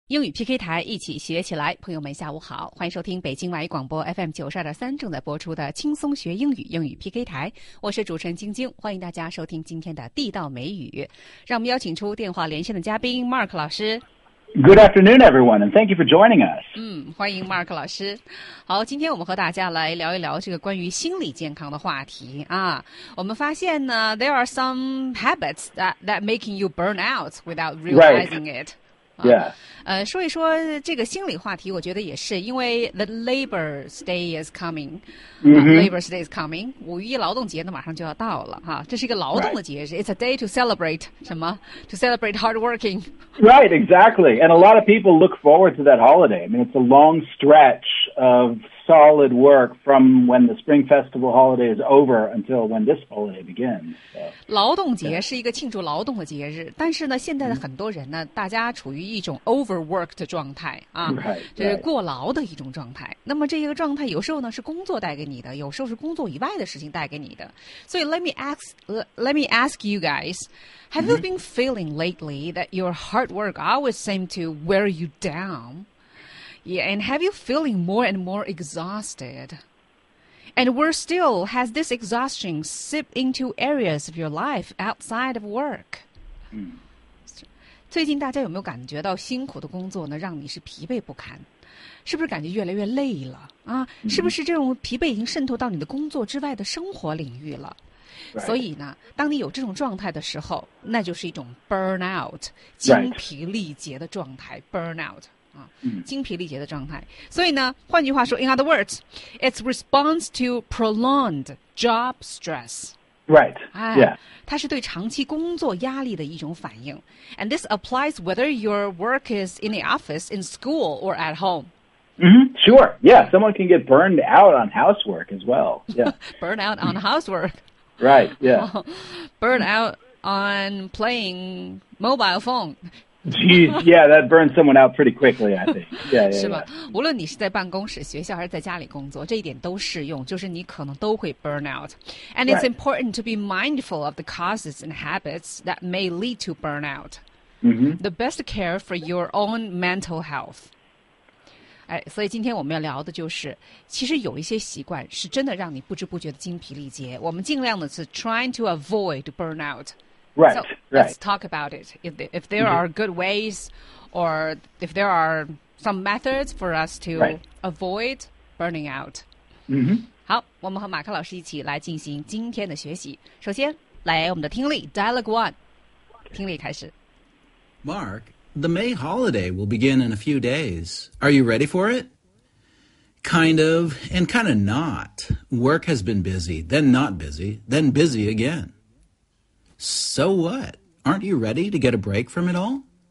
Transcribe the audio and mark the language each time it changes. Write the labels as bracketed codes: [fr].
[zh] 英语 PK 台一起学起来，朋友们下午好，欢迎收听北京外语广播 FM92.3 正在播出的轻松学英语英语 PK 台，我是主持人晶晶，欢迎大家收听今天的地道美语。让我们邀请出电话连线的嘉宾 Mark 老师。 [en] Good afternoon, everyone, and thank you for joining us. [zh] 欢迎 Mark 老师。好，今天我们和大家来聊一聊这个关于心理健康的话题啊。我们发现呢 [en] ，there are some habits that making you burn out without realizing it. Right. Yeah. [zh] 说一说这个心理话题，我觉得也是，因为 [en] the Labor's Day is coming.、 Labor's Day is coming. [zh] 五一劳动节呢，马上就要到了哈。这是一个劳动的节日。 [en] Right. It's a day to celebrate [zh] 什么 [en] ？To celebrate hard working. Right. Exactly. And a lot of people look forward to that holiday. I mean, it's a long stretch of solid work from when the Spring Festival holiday is over until when this holiday begins.、 [zh] 劳动节是一个庆祝劳动的节日，但是呢，现在的很多人呢，大家处于一种 overworked 的状态啊，就是过劳的一种状态。那么这一个状态有时候呢是工作带给你的，有时候是工作以外的事情带给你的。 [en] 所以 let me ask you guys, have you been feeling lately that your hard work always seem to wear you down? Yeah, and have you feeling more and more exhausted? And worse still, has this exhaustion seeped into areas of your life outside of work? [zh] 最近大家有没有感觉到辛苦的工作呢，让你是疲惫不堪？是不是感觉越来越累了啊？是不是这种疲惫已经渗透到你的工作之外的生活领域了？所以呢，当你有这种状态的时候，那就是一种 burnout， 精疲力竭的状态 ，burnout。精疲力竭的状态。所以呢，换句话说 [en] ，in other words, it's response to prolonged job stress. Right. Yeah. [zh] 它是对长期工作压力的一种反应。 [en] And this applies whether your work is in the office, in school, or at home. Sure. Yeah. Someone can get burned out on housework as well. Yeah. Burn out on housework. Right. Yeah. Burn out on playing mobile phone. Geez, yeah, that burns someone out pretty quickly, I think. Yeah, yeah, [zh] 是吧？无论你是在办公室、学校还是在家里工作，这一点都适用，就是你可能都会 burn out. [en] And it's important to be mindful of the causes and habits that may lead to burnout. The best care for your own mental health. [zh] 哎，所以今天我们要聊的就是，其实有一些习惯是真的让你不知不觉的精疲力竭。我们尽量的是 [en] trying to avoid burnout. Right, so let's talk about it. If there are good ways or if there are some methods for us to avoid burning out. [zh] 好，我们和马克老师一起来进行今天的学习。首先来我们的听力 Dialogue 1, 听力开始。 [en] Mark, the May holiday will begin in a few days. Are you ready for it? Kind of, and kind of not. Work has been busy, then not busy, then busy again. So what? Aren't you ready to get a break from it all?